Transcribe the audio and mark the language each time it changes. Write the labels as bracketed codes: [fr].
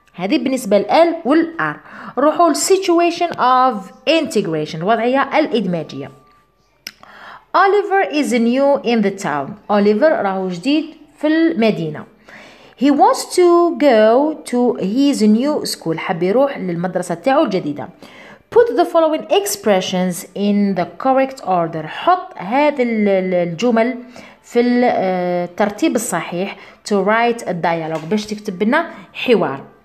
[ar] هذه بالنسبه لل والار. نروحوا لل [en] situation of integration، [ar] الوضعيه الادماجيه. [en] Oliver is new in the town. [ar] Oliver راهو جديد في المدينه. [en] He wants to go to his new school. [ar] حاب يروح للمدرسة تاعو الجديدة. [en] Put the following expressions in the correct order. [ar] حط هذه الجمل في الترتيب الصحيح [en] to write a dialogue، [ar] باش تكتب لنا حوار.